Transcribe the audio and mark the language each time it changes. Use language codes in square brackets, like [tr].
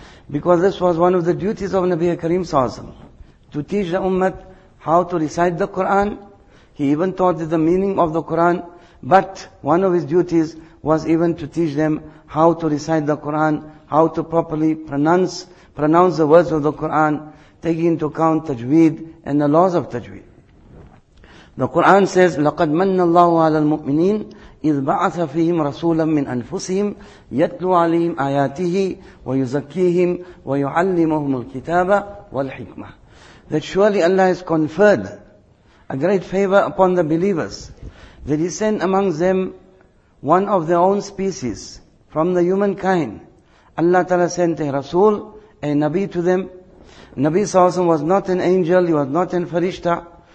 [en] Because this was one of the duties of Nabi Karim Sa'asim, to teach the Ummah how to recite the Quran. He even taught the meaning of the Quran, but one of his duties was even to teach them how to recite the Quran, how to properly pronounce the words of the Quran, taking into account tajweed and the laws of tajweed. The Quran says, [ar] لَقَدْ مَنَّ اللَّهُ عَلَى الْمُؤْمِنِينَ إِذْ بَعَثَ فِيهِمْ رَسُولًا مِّنْ أَنفُسِهِمْ يَتْلُوا عَلَيْهِمْ آيَاتِهِ وَيُزَكِّيهِمْ وَيُعَلِّمُهُمُ الْكِتَابَ وَالْحِكْمَةِ. [en] That surely Allah has conferred a great favor upon the believers, that He sent among them one of their own species from the humankind. Allah Ta'ala sent a Rasul, a Nabi to them. Nabi Sa'asim was not an angel, he was not a farishta.